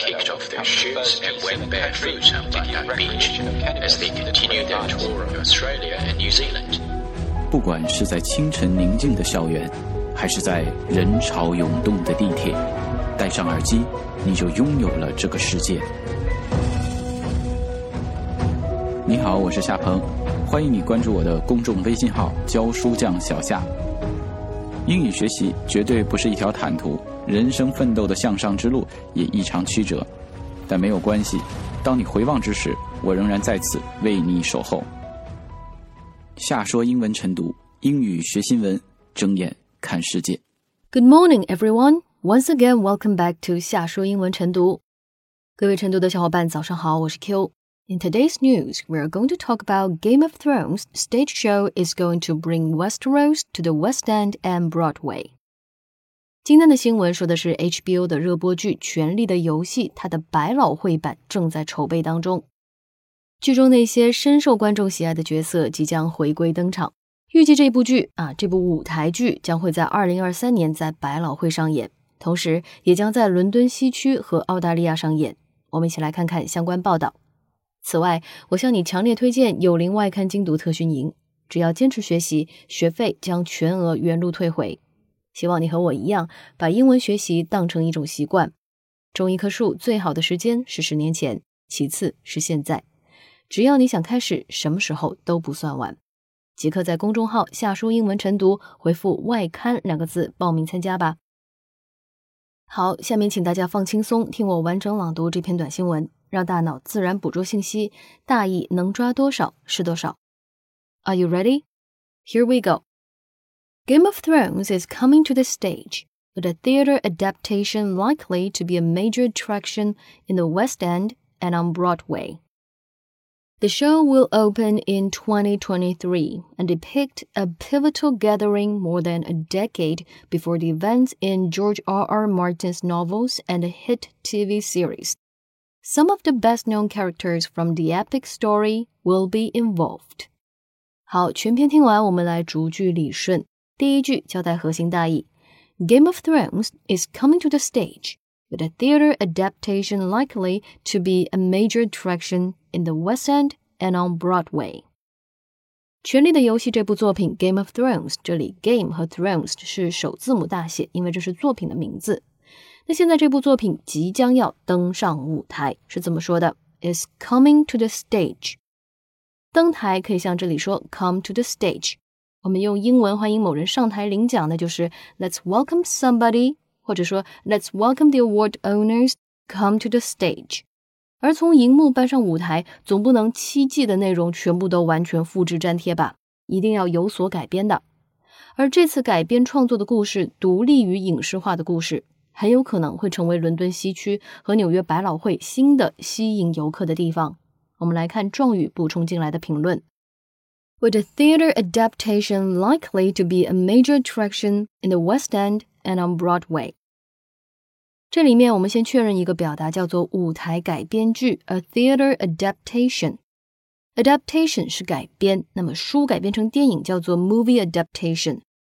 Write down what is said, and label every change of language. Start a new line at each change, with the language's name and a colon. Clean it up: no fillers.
English: kicked off their shoots and went barefoot on Bundang Beach as they continued their tour of Australia and New Zealand.
Chinese: 不管是在清晨宁静的校园，还是在人潮涌动的地铁，戴上耳机，你就拥有了这个世界。你好，我是夏鹏，欢迎你关注我的公众微信号教书匠小夏。英语学习绝对不是一条坦途，人生奋斗的向上之路也异常曲折，但没有关系，当你回望之时，我仍然在此为你守候。夏说英文晨读，英语学新闻，睁眼看世界。
English: Good morning everyone, once again welcome back to 夏说英文晨读。
Chinese: 各位晨读的小伙伴早上好，我是 Q。
English: In today's news, we are going to talk about Game of Thrones stage show is going to bring Westeros to the West End and Broadway.
Chinese: 今天的新闻说的是 HBO 的热播剧《权力的游戏》它的百老汇版正在筹备当中。剧中那些深受观众喜爱的角色即将回归登场。预计这部剧啊，这部舞台剧将会在2023年在百老汇上演，同时也将在伦敦西区和澳大利亚上演。我们一起来看看相关报道。此外，我向你强烈推荐有灵外刊精读特训营，只要坚持学习，学费将全额原路退回。希望你和我一样，把英文学习当成一种习惯。种一棵树最好的时间是十年前，其次是现在。只要你想开始，什么时候都不算晚。即刻在公众号下书英文晨读回复外刊两个字报名参加吧。好，下面请大家放轻松，听我完整朗读这篇短新闻。让大脑自然捕捉信息，大意能抓多少是多少。
English: Are you ready? Here we go. Game of Thrones is coming to the stage, with a theater adaptation likely to be a major attraction in the West End and on Broadway. The show will open in 2023 and depict a pivotal gathering more than a decade before the events in George R.R. Martin's novels and a hit TV series. Some of the best-known characters from the epic story will be involved.
Chinese: 好，全篇听完，我们来逐句理顺。第一句交代核心大意。
English: Game of Thrones is coming to the stage, with a theater adaptation likely to be a major attraction in the West End and on Broadway.
Chinese: 权力的游戏这部作品 Game of Thrones, 这里 Game 和 Thrones 是首字母大写，因为这是作品的名字。那现在这部作品即将要登上舞台，是怎么说的 ？
English: Is coming to the stage。
Chinese: 登台可以像这里说
English: come to the stage。
Chinese: 我们用英文欢迎某人上台领奖，那就是
English: let's welcome somebody，
Chinese: 或者说
English: let's welcome the award owners come to the stage。
Chinese: 而从荧幕搬上舞台，总不能七季的内容全部都完全复制粘贴吧？一定要有所改编的。而这次改编创作的故事，独立于影视化的故事。很有可能会成为伦敦西区和纽约百老汇新的吸引游客的地方。我们来看壮语补充进来的评论。
English: With a theater adaptation likely to be a major attraction in the West End and on Broadway.
Chinese: 这里面我们先确认一个表达叫做舞台改编剧 ,
English: a theater adaptation。
Chinese: Adaptation 是改编，那么书改编成电影叫做
English: movie adaptation。